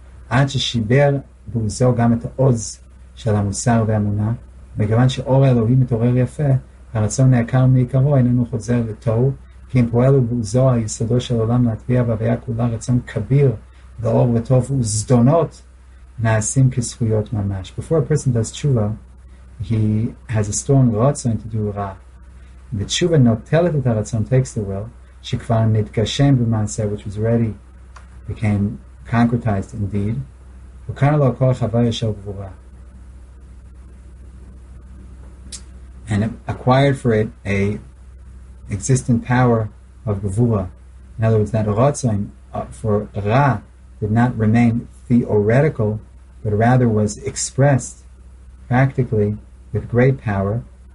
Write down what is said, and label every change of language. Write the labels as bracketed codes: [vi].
[he] עד ששיבר בעוזו גם את העוז של המוסר והאמונה, מכיוון שאור האלוהי מתעורר יפה, הרצון נעקר מעיקרו, איננו חוזר לתוהו, כי אם פועל הוא בעוזו היסודו של עולם להטביע בהוויה כולה רצון כביר, ואור וטוב וזדונות נעשים כזכויות ממש. [en] Before a person does תשובה, he has a strong רצון to do רע. [he] ותשובה נוטלת את הרצון, [en] takes the will, [he] שכבר נתגשם במעשה, [en] which was already became concretized indeed, [he] וכאן לא הכל חוויה של גבורה. [en] And acquired for it a existent power of גבורה. In other words, that רצון for רע, did not remain theoretical, but rather was expressed practically with great power.